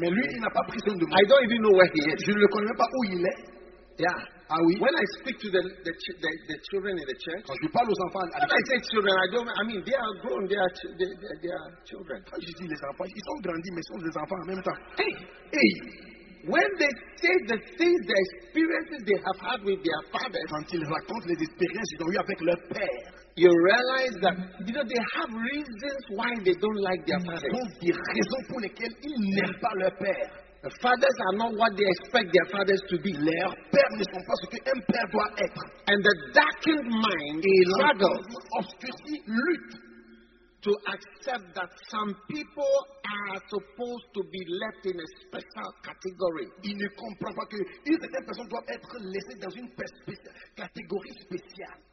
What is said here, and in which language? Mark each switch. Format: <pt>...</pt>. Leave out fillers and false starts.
<fr>Mais lui, il n'a pas pris soin de moi.</fr> <en>I don't even know where he is.</en> <fr>Je ne le connais même pas où il est. Yeah. Ah oui.</fr> <en>When I speak to the children in the church,</en> <fr>quand je parle aux enfants,</fr> <en>when I say children, I mean they are grown, they are children.</en> <fr>Quand je dis les enfants, ils sont grandis, mais ils sont des enfants en même temps. Hey.</fr> <en>When they say the things, the experiences they have had with their fathers,</en> <fr>quand ils racontent les expériences qu'ils ont eues avec leur père,</fr> <en>you realize that they have reasons why they don't like their fathers.</en> <fr>Ils ont des raisons pour lesquelles ils n'aiment pas leur père.</fr> <en>The fathers are not what they expect their fathers to be.</en> <fr>Leur père ne sont pas ce qu'un père doit être.</fr> <en>And the darkened mind struggles,</en> <fr>obscurci, lutte.</fr> <en>To accept that some people are supposed to be left in a special category.</en> <fr>Il ne comprend pas que certaines personnes doivent être laissées dans une catégorie spéciale.</fr>